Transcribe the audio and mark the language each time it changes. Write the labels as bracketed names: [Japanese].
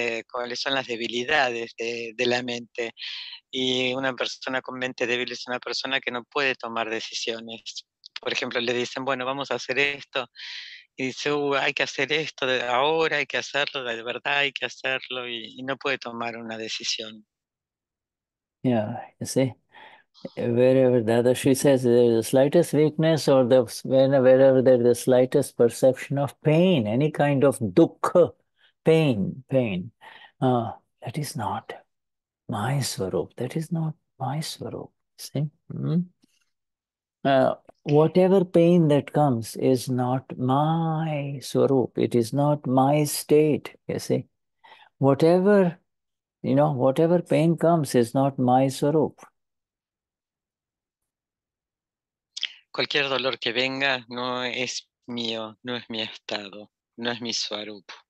[Spanish] ¿Cuáles son las debilidades de la mente? Y una persona con mente débil es una persona que no puede tomar decisiones. Por ejemplo, le dicen, bueno, vamos a hacer esto. Y dice, hay que hacer esto de ahora, hay que hacerlo, de verdad hay que hacerlo, y no puede tomar una decisión. [English] Yeah, you see, wherever Dada Shri says there's the slightest weakness or wherever there's the slightest perception of pain, any kind of dukkha, pain, that is not my Swaroop, that is not my Swaroop, see? Mm-hmm. Whatever pain that comes is not my Swaroop. It is not my state, you see. Whatever, you know, whatever pain comes is not my Swaroop. [Spanish] Cualquier dolor que venga no es mío, no es mi estado, no es mi Swaroop.